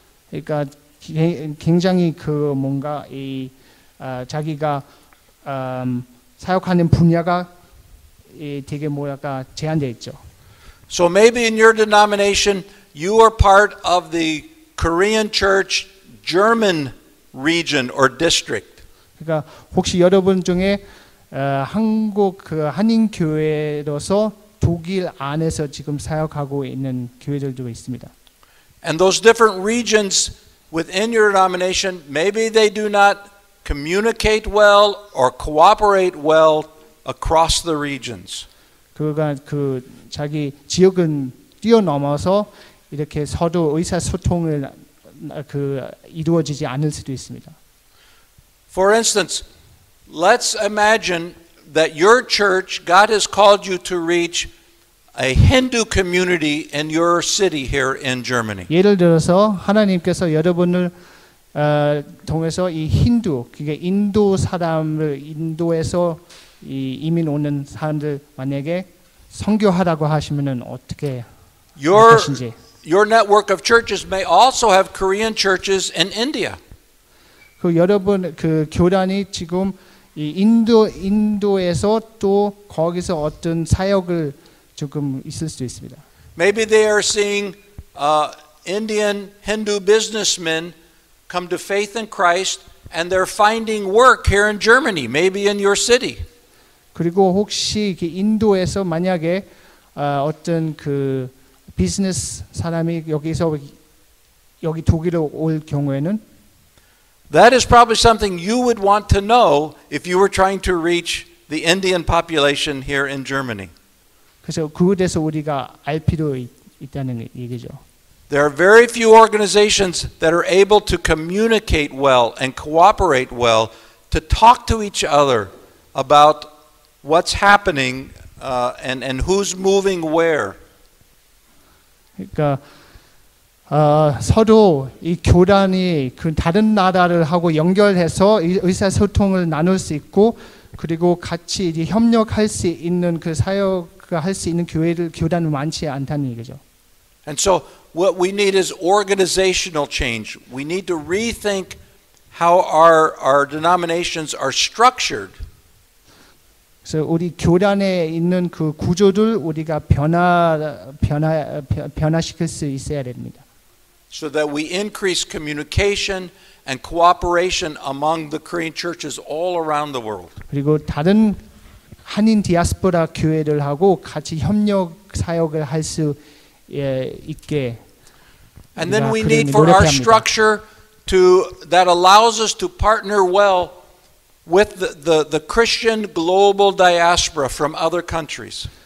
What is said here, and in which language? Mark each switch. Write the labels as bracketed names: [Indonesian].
[Korean] 그러니까 굉장히 그 뭔가 이 자기가 사역하는 분야가 되게 뭐랄까 제한돼 있죠. [English] So maybe in your denomination you are part of the Korean Church German region or district. [Korean] 그러니까 혹시 여러분 중에 한국 그 한인 교회로서 독일 안에서 지금 사역하고 있는 교회들도 있습니다. [English] And those different regions within your denomination, maybe they do not communicate well or cooperate well across the regions. [Korean] 그 자기 지역은 뛰어넘어서 이렇게 서로 의사소통을 그 이루어지지 않을 수도 있습니다. [English] For instance, let's imagine that your church, God has called you to reach a Hindu community in your city here in Germany. [Korean] 예를 들어서 하나님께서 여러분을 통해서 이 힌두, 그러니까 인도 사람을 인도에서 이 이민 오는 사람들 만약에 선교하라고 하시면은 어떻게 하신지? [English] Your network of churches may also have Korean churches in India. [Korean] 그 여러분 그 교단이 지금 이 인도에서 또 거기서 어떤 사역을 조금 있을 수도 있습니다. [English] Maybe they are seeing Indian Hindu businessmen come to faith in Christ and they're finding work here in Germany, maybe in your city. [Korean] 그리고 혹시 인도에서 만약에 어떤 그 비즈니스 사람이 여기 독일에 올 경우에는 [English] That is probably something you would want to know if you were trying to reach the Indian population here in Germany. [Korean] 그래서 그에 대해서 우리가 알 필요 있다는 얘기죠. [English] There are very few organizations that are able to communicate well and cooperate well to talk to each other about what's happening and who's moving where. [Korean] 그러니까 서로 이 교단이 그 다른 나라를 하고 연결해서 의사소통을 나눌 수 있고 그리고 같이 이제 협력할 수 있는 그 사역 할 수 있는 교회들 교단은 많지 않다는 얘기죠. [English] And so what we need is organizational change. We need to rethink how our denominations are structured. [Korean] 그래서 우리 교단에 있는 그 구조들 우리가 변화시킬 수 있어야 됩니다. [English] So that we increase communication and cooperation among the Korean churches all around the world. [Korean] 그리고 다른 한인 디아스포라 교회를 하고 같이 협력 사역을 할 수 있게 [English] And then we need for our structure to that allows us to partner well with the Christian global diaspora from other countries.